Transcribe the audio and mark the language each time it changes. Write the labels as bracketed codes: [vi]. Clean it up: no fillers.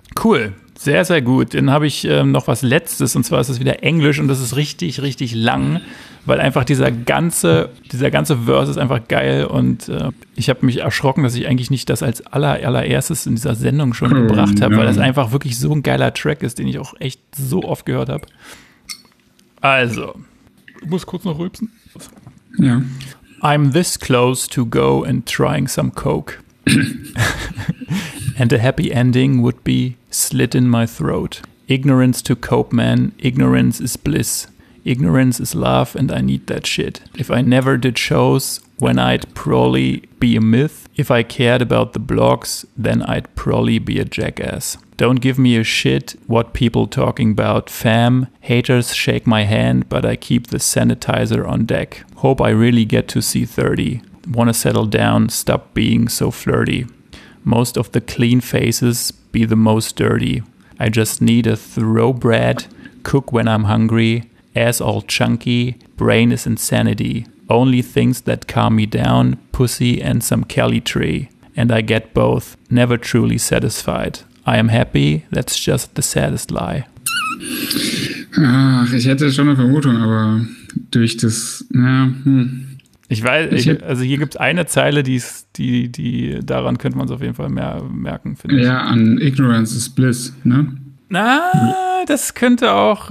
[de] Cool, sehr, sehr gut. Dann habe ich noch was Letztes, und zwar ist es wieder Englisch und das ist richtig, richtig lang, weil einfach dieser ganze Verse ist einfach geil und ich habe mich erschrocken, dass ich eigentlich nicht das als allererstes in dieser Sendung schon gebracht habe, weil das einfach wirklich so ein geiler Track ist, den ich auch echt so oft gehört habe. Also, ich muss kurz noch rülpsen. Ja. [en] I'm this close to go and trying some coke. And a happy ending would be slit in my throat. Ignorance to cope, man. Ignorance is bliss. Ignorance is love and I need that shit. If I never did shows, when I'd probably be a myth. If I cared about the blogs, then I'd probably be a jackass. Don't give me a shit what people talking about, fam. Haters shake my hand, but I keep the sanitizer on deck. Hope I really get to see 30. Wanna settle down, stop being so flirty. Most of the clean faces be the most dirty. I just need a throw bread, cook when I'm hungry, ass all chunky, brain is insanity. Only things that calm me down, pussy and some Kelly tree. And I get both, never truly satisfied. I am happy, that's just the saddest lie. [de] Ach, ich hätte schon eine Vermutung, aber durch das, ja, Ich weiß, also hier gibt es eine Zeile, die daran könnte man es auf jeden Fall mehr merken, finde ich. Ja, an [en] Ignorance is Bliss, [de] ne? Na, das könnte auch.